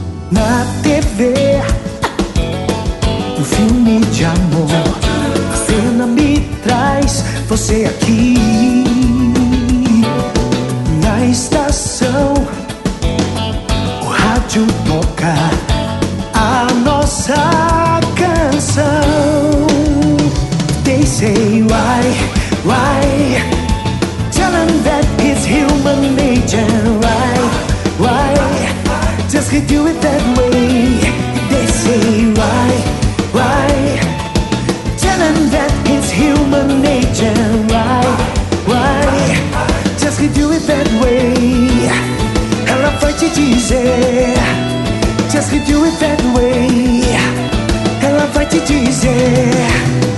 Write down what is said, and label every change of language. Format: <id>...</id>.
<pt>Na TV, um filme de amor, a cena me traz você aqui. Na estação, o rádio toca a nossa canção.</pt> <en>They say why, why, tell them that it's human nature. Why, why, just can't do it that way. They say why, why, tell them that it's human nature. Why, why, just can't do it that way.</en> <pt>Ela vai te dizer,</pt> <en>just can't do it that way.</en> <pt>Ela vai te dizer.</pt>